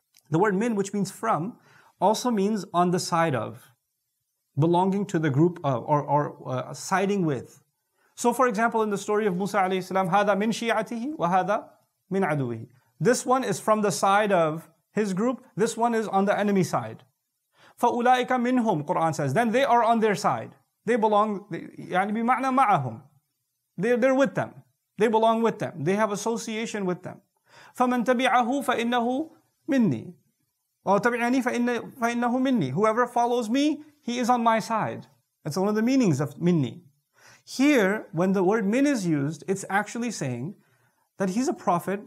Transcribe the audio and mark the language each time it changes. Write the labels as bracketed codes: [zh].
[en] The word min, which means from, also means on the side of, belonging to the group of, or siding with. So for example, in the story of Musa alayhi salam, [ar] هذا من شيعته وهذا من عدوه. [en] This one is from the side of his group, this one is on the enemy side. [ar] فَأُولَٰئِكَ مِنْهُمْ [en] Quran says, then they are on their side. They belong, [ar] يعني بمعنى معهم. [en] They're with them. They belong with them. They have association with them. [ar] فَمَنْ تَبِعَهُ فَإِنَّهُ مِنِّي [en] أو تَبِعَنِي فَإِنَّهُ مِنِّي Whoever follows me, he is on my side. That's one of the meanings of minni. Here, when the word min is used, it's actually saying that he's a prophet.